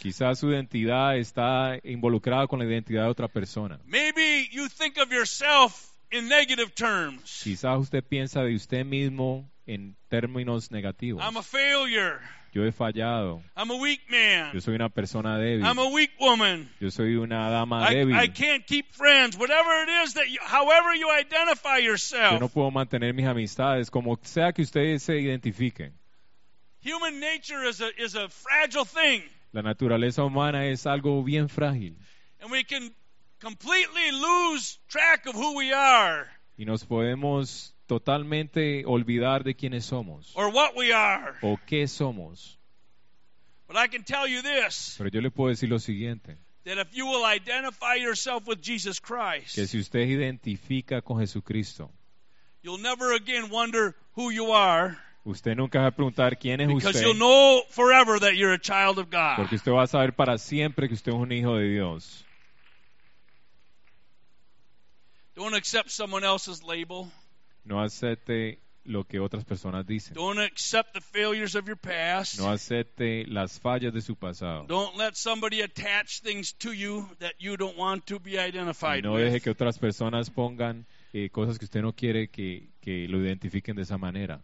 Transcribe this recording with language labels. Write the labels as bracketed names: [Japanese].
[Spanish] Quizás su identidad está involucrada con la identidad de otra persona. [English] Maybe you think of yourself in negative terms. [Spanish] Quizás usted piensa de usted mismo en términos negativos. [English] I'm a failure. [Spanish] Yo he fallado. [English] I'm a weak man. [Spanish] Yo soy una persona débil. [English] I'm a weak woman. [Spanish] Yo soy una dama débil. [English] I can't keep friends. Whatever it is that you, however you identify yourself. [Spanish] Yo no puedo mantener mis amistades como sea que ustedes se identifiquen. [English] Human nature is a fragile thing. [Spanish] La naturaleza humana es algo bien frágil. [English] And we can completely lose track of who we are. [Spanish] Y nos podemos totalmente olvidar de quiénes somos. [English] Or what we are. [Spanish] O qué somos. [English] But I can tell you this. [Spanish] Pero yo le puedo decir lo siguiente. [English] That if you will identify yourself with Jesus Christ. [Spanish] Que si usted identifica con Jesucristo. [English] You'll never again wonder who you are. [Spanish] Usted nunca va a preguntar quién es [English] Because [Spanish] usted. [English] You'll know forever that you're a child of God. [Spanish] Porque usted va a saber para siempre que usted es un hijo de Dios. [English] Don't accept someone else's label. [Spanish] No acepte lo que otras personas dicen. [English] Don't accept the failures of your past. [Spanish] No acepte las fallas de su pasado. [English] Don't let somebody attach things to you that you don't want to be identified with. [Spanish] No deje que otras personas pongan cosas que usted no quiere que lo identifiquen de esa manera.